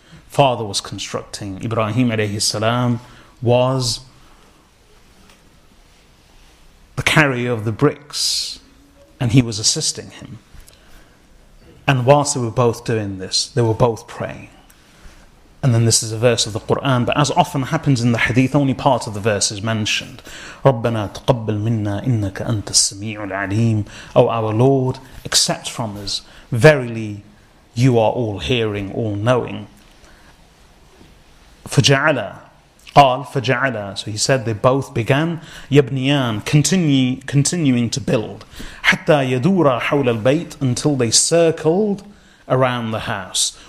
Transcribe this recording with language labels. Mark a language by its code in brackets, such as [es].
[en] Father was constructing. Ibrahim alayhi salam was the carrier of the bricks. And he was assisting him. And whilst they were both doing this, they were both praying. And then this is a verse of the Qur'an. But as often happens in the hadith, only part of the verse is mentioned. [ar] رَبَّنَا تَقَبَّلْ مِنَّا إِنَّكَ أَنْتَ السَّمِيعُ الْعَلِيمُ [en] O our Lord, accept from us. Verily, you are all hearing, all knowing. [ar] فَجَعَلَا قَالْ فَجَعَلَا [en] So he said they both began. [ar] يَبْنِيَانَ [en] Continuing to build. [ar] حَتَّى يَدُورَ حَوْلَ الْبَيْتِ [en] Until they circled around the house.